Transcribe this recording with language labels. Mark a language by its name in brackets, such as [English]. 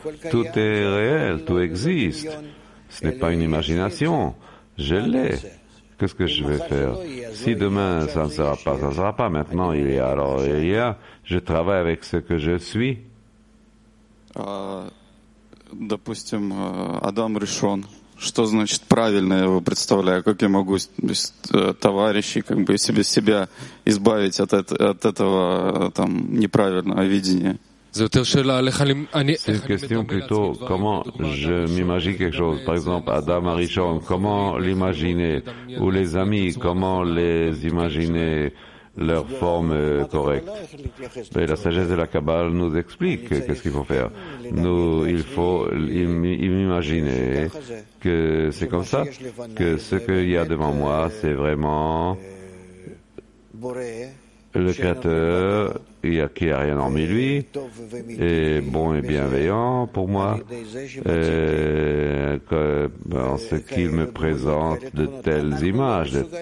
[French] Tout est réel, tout existe. Ce n'est pas une imagination. Je l'ai. Qu'est-ce que je vais faire? Si demain ça ne sera pas, ça ne sera pas. Maintenant, il y a. Alors, il y a. Je travaille avec ce que je suis. [Russian] Допустим, Адам решен. Что значит правильно я его представляю? Как я могу без товарищей, как бы себе себя избавить от этого там неправильного видения? [French] C'est une question plutôt comment je m'imagine quelque chose. Par exemple, Adam Arishon, comment l'imaginer? Ou les amis, comment les imaginer leur forme correcte? Mais la sagesse de la Kabbale nous explique qu'est-ce qu'il faut faire. Il faut imaginer que c'est comme ça, que ce qu'il y a devant moi, c'est vraiment le Créateur, il n'y a qui a rien en lui, est bon et bienveillant pour moi, en ce qu'il me présente de telles images.